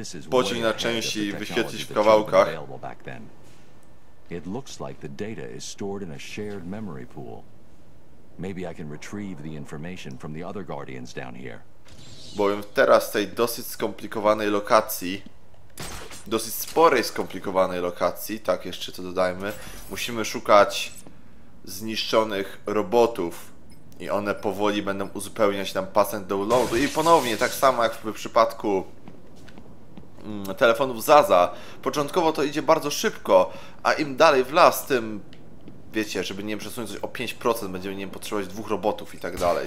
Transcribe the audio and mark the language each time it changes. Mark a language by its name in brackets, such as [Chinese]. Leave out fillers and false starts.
[Polish] Pociąć na części i wyświetlić w kawałkach. [English] It looks like the data is stored in a shared memory pool. Maybe I can retrieve the information from the other guardians down here. [Polish] Bowiem teraz w tej dosyć skomplikowanej lokacji, dosyć sporej skomplikowanej lokacji, tak jeszcze to dodajmy, musimy szukać zniszczonych robotów i one powoli będą uzupełniać nam pasek downloadu. I ponownie, tak samo jak w przypadku telefonów Zaza, początkowo to idzie bardzo szybko, a im dalej w las, tym, wiecie, żeby nie przesunąć coś o 5%, będziemy, nie wiem, potrzebować dwóch robotów i tak dalej.